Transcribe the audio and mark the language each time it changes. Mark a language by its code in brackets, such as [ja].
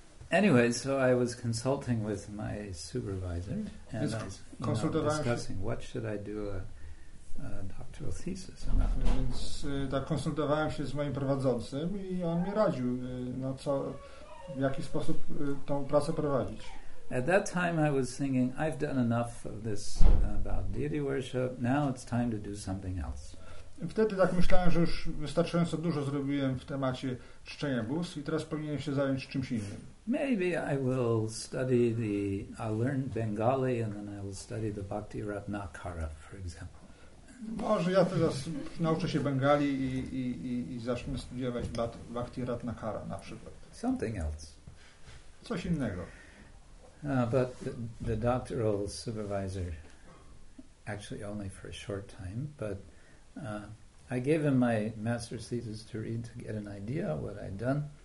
[en] Anyway, so I was consulting with my supervisor and discussing what should I do a doctoral thesis about. [pl] Więc tak konsultowałem się z moim prowadzącym i on mi radził, no co, w jaki sposób tą pracę prowadzić. [en] At that time I was thinking, I've done enough of this about deity worship, now it's time to do something else. [pl] Wtedy tak myślałem, że już wystarczająco dużo zrobiłem w temacie czczenia bóstw i teraz powinienem się zająć czymś innym. [en] Maybe I will study I'll learn Bengali and then I will study the Bhakti Ratnakara, for example. [pl] Może ja teraz nauczę się Bengali i zacznę studiować Bhakti Ratnakara na przykład. [en] Something else. [pl] Coś innego. [en] But the doctoral supervisor, actually only for a short time, but I gave him my master's thesis to read to get an idea of what I'd done.